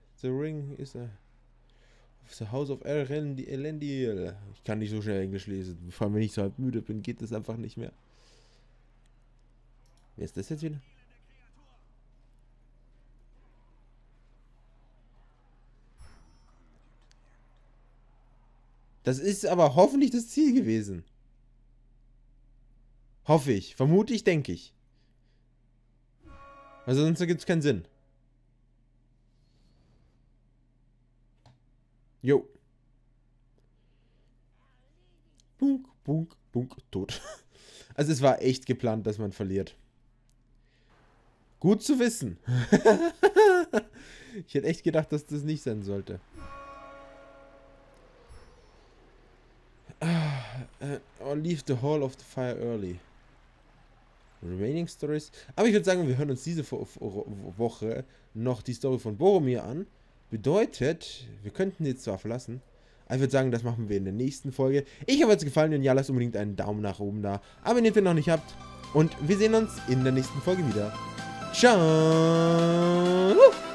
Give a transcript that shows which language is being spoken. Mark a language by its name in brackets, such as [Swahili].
[English] The ring is a of the house of Elendil. [German] Ich kann nicht so schnell Englisch lesen. Vor allem, wenn ich so halb müde bin, geht das einfach nicht mehr. Wer ist das jetzt wieder? Das ist aber hoffentlich das Ziel gewesen. Hoffe ich, vermute ich, denke ich. Also sonst ergibt es keinen Sinn. Jo. Bunk, bunk, bunk, tot. Also es war echt geplant, dass man verliert. Gut zu wissen. Ich hätte echt gedacht, dass das nicht sein sollte. [English] Or leave the Hall of the Fire early. Remaining Stories. [German] Aber ich würde sagen, wir hören uns diese Woche noch die Story von Boromir an. Bedeutet, wir könnten jetzt zwar verlassen, aber ich würde sagen, das machen wir in der nächsten Folge. Ich hoffe, es gefallen und ja, lasst unbedingt einen Daumen nach oben da. Abonniert, wenn ihr noch nicht habt. Und wir sehen uns in der nächsten Folge wieder. Ciao!